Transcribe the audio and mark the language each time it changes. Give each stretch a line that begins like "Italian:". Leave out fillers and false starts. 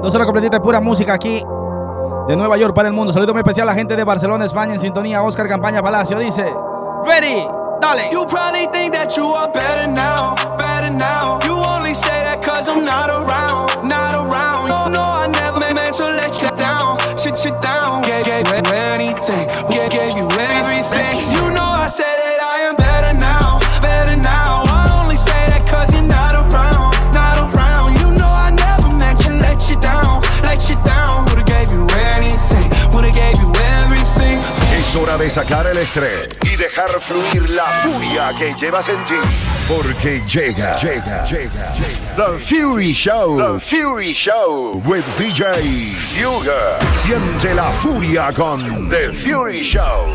Spanish: 2 horas completitas de pura música aquí de Nueva York para el mundo. Saludo muy especial a la gente de Barcelona, España, en sintonía. Oscar Campaña Palacio dice: ready, dale.
English: You probably think that you are better now. Now, you only say that 'cause I'm not around, not around. No, no, I never meant to let you down, sit you down. Gave anything, gave you everything. You know I said that I am better now, better now. I only say that 'cause you're not around, not around. You know I never meant to let you down, let you down. Would've gave you anything, would've gave you everything.
Spanish: Es hora de sacar el estrés y dejar fluir la furia que llevas en ti. Porque llega The Fury Show.
English: The Fury Show with DJ Fuga.
Spanish: Siente la furia con The Fury Show.